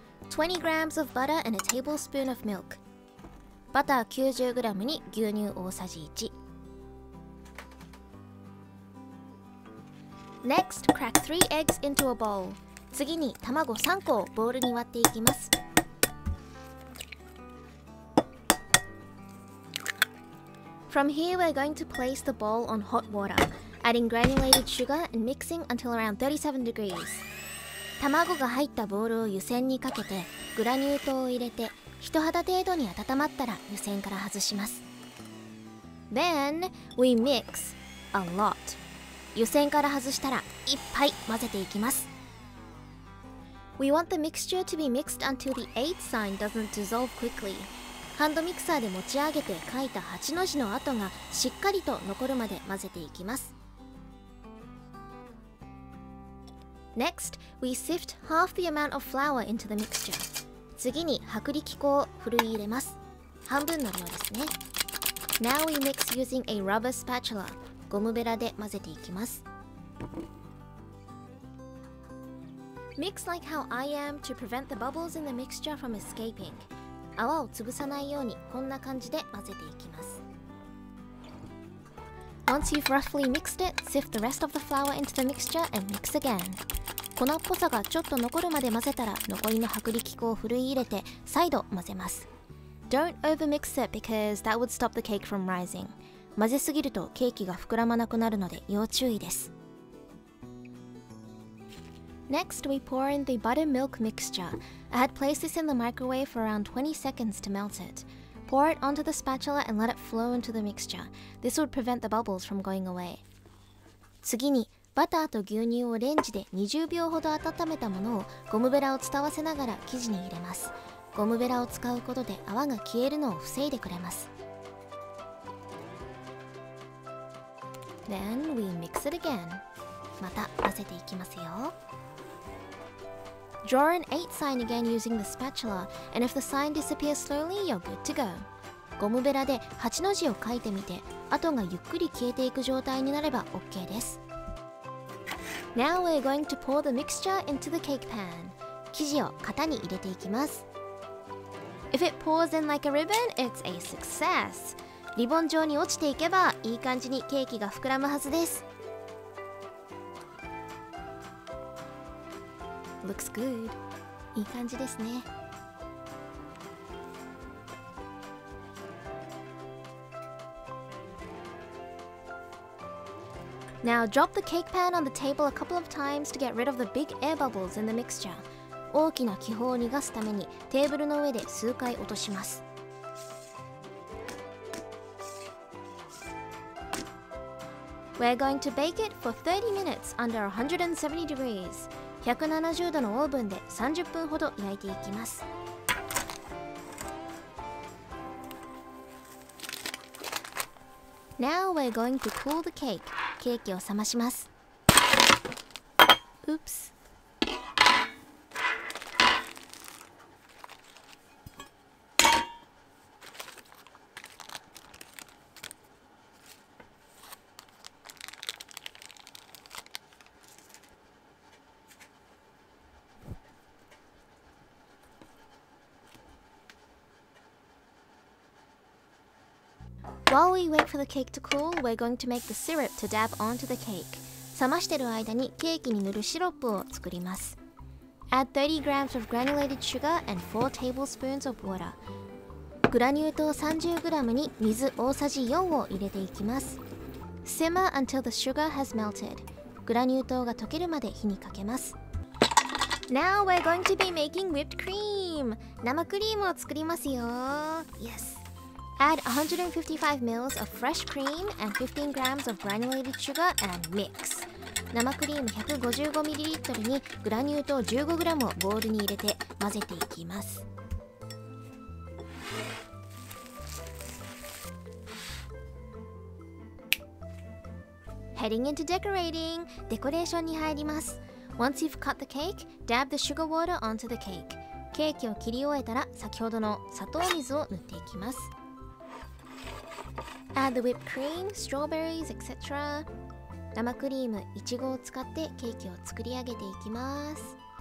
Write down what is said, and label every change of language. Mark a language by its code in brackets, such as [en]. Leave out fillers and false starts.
[en] 20 grams of butter and a tablespoon of milk. [ja] バター 90g に牛乳大さじ1。 [en] Next, crack 3 eggs into a bowl. [ja] 次に卵3個をボウルに割っていきます。 [en] From here, we're going to place the bowl on hot water, adding granulated sugar and mixing until around 37 degrees. [ja] 卵が入ったボウルを湯煎にかけて、グラニュー糖を入れて、人肌程度に温まったら湯煎から外します。 [en] Then, we mix a lot. [ja] 湯煎から外したらいっぱい混ぜていきます。 [en] We want the mixture to be mixed until the 8 sign doesn't dissolve quickly. [ja] ハンドミクサーで持ち上げて書いた8の字の跡がしっかりと残るまで混ぜていきます。 [en] Next, we sift half the amount of flour into the mixture. [ja] 次に薄力粉をふるい入れます。半分の量ですね。 [en] Now we mix using a rubber spatula. [ja] ゴムベラで混ぜていきます。 [en] Mix like how I am to prevent the bubbles in the mixture from escaping. [ja] 泡を潰さないようにこんな感じで混ぜていきます。 [en] Once you've roughly mixed it, sift the rest of the flour into the mixture and mix again. [ja] 粉っぽさがちょっと残るまで混ぜたら残りの薄力粉をふるい入れて再度混ぜます。 [en] Don't overmix it because that would stop the cake from rising. [ja] 混ぜすぎるとケーキが膨らまなくなるので要注意です。 [en] Next, we pour in the buttermilk mixture. I had placed this in the microwave for around 20 seconds to melt it. Pour it onto the spatula and let it flow into the mixture. This would prevent the bubbles from going away. [ja] 次に、バターと牛乳をレンジで20秒ほど温めたものをゴムベラを伝わせながら生地に入れます。ゴムベラを使うことで泡が消えるのを防いでくれます。 [en] Then we mix it again. [ja] また混ぜていきますよ。 [en] Draw an 8 sign again using the spatula, and if the sign disappears slowly, you're good to go. [ja] ゴムベラで8の字を書いてみて、跡がゆっくり消えていく状態になれば OK です。 [en] Now we're going to pour the mixture into the cake pan. [ja] 生地を型に入れていきます。 [en] If it pours in like a ribbon, it's a success! [ja] リボン状に落ちていけばいい感じにケーキが膨らむはずです。 [en] Looks good. [ja] いい感じですね。 [en] Now drop the cake pan on the table a couple of times to get rid of the big air bubbles in the mixture. [ja] 大きな気泡を逃がすためにテーブルの上で数回落とします。 [en] We're going to bake it for 30 minutes under 170 degrees. [ja] 170度のオーブンで30分ほど焼いていきます。 [en] Now we're going to cool the cake. [ja] ケーキを冷まします。 [en] Oops. While we wait for the cake to cool, we're going to make the syrup to dab onto the cake. [ja] 冷ましてる間にケーキに塗るシロップを作ります。 [en] Add 30 grams of granulated sugar and 4 tablespoons of water. [ja] グラニュー糖 30g に水大さじ4を入れていきます。 [en] Simmer until the sugar has melted. [ja] グラニュー糖が溶けるまで火にかけます。 [en] Now we're going to be making whipped cream! [ja] 生クリームを作りますよ。 [en] Yes! Add 155 ml of fresh cream and 15 grams of granulated sugar and mix. [ja] 生クリーム 155ml にグラニュー糖 15g をボウルに入れて混ぜていきます。 [en] Heading into decorating! [ja] デコレーションに入ります。 [en] Once you've cut the cake, dab the sugar water onto the cake. [ja] ケーキを切り終えたら、先ほどの砂糖水を塗っていきます。 [en] Add the whipped cream, strawberries, etc. [ja] 生クリーム、いちごを使ってケーキを作り上げていきます。